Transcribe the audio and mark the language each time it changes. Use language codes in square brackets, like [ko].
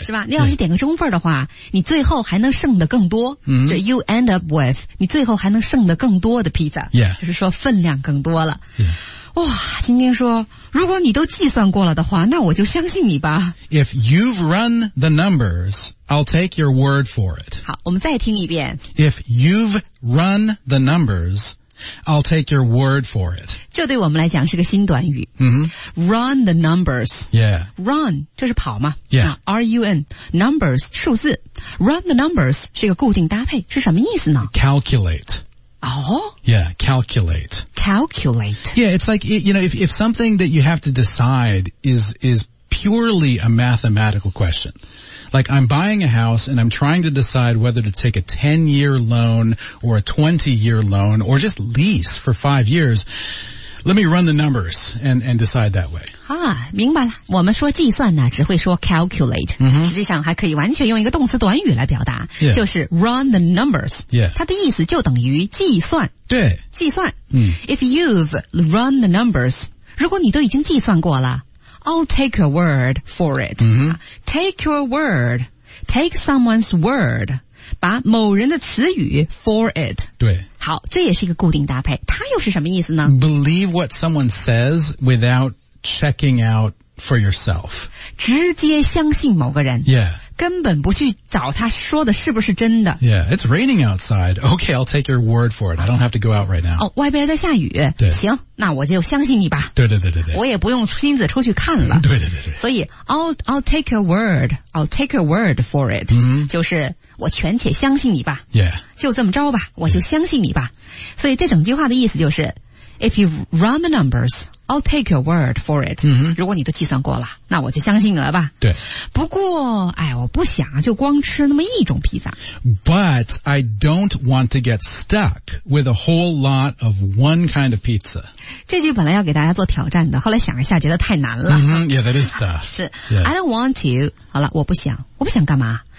[zh] 是吧？你要是点个中份的话，你最后还能剩的更多。嗯、mm-hmm. ，就 [en] you end up with [zh] 你最后还能剩的更多的 pizza. [en] Yeah, [zh] 就是说分量更多了。 [en] Yeah. [zh] 哇，今天说，如果你都计算过了的话，那我就相信你吧。 [en] If you've run the numbers, I'll take your word for it. [zh] 好，我们再听一遍。 [en] If you've run the numbers, I'll take your word for it. [zh] 这对我们来讲是个新短语。 Mm-hmm. [en] Run the numbers. Yeah. [zh] Run, 这是跑嘛。 [en] Yeah. [zh] R-U-N, numbers, 数字。 [en] Run the numbers [zh] 是个固定搭配，是什么意思呢 [en] ？Calculate. Oh? Yeah, calculate. Calculate. Yeah, it's like, you know, if something that you have to decide is purely a mathematical question. Like, I'm buying a house and I'm trying to decide whether to take a 10-year loan or a 20-year loan or just lease for 5 years. Let me run the numbers and decide that way. [zh] 啊，明白了。我们说计算呢，只会说 calculate.、 Mm-hmm. 实际上还可以完全用一个动词短语来表达， [en] yeah. [zh] 就是 [en] run the numbers. Yeah. [zh] 它的意思就等于计算。对。计算。 Mm. [en] If you've run the numbers, [zh] 如果你都已经计算过了， [en] I'll take your word for it.、 Mm-hmm. Take your word. Take someone's word. [zh] 把某人的词语 for it 对好这也是一个固定搭配它又是什么意思呢 [en] believe what someone says without checking out for yourself [zh] 直接相信某个人 [en] yeah [zh] 根本不去找他说的是不是真的 [en] yeah it's raining outside okay I'll take your word for it I don't have to go out right now [zh] 哦，外边在下雨对行那我就相信你吧对我也不用亲自出去看了对 [en] 所以 I'll take your word I'll take your word for it、 mm-hmm. [zh] 就是我全且相信你吧 [en] yeah [zh] 就这么着吧我就相信你吧、yeah. 所以这整句话的意思就是 [en] If you run the numbers, I'll take your word for it.、 Mm-hmm. [zh] 如果你都计算过了，那我就相信了吧。对。不过，哎，我不想就光吃那么一种披萨。 [en] But I don't want to get stuck with a whole lot of one kind of pizza. [zh] 这句本来要给大家做挑战的，后来想一下觉得太难了。 [en] Mm-hmm. Yeah, that is tough. [zh] 是、 [en] yeah. I don't want to. [zh] 好了，我不想，我不想干嘛？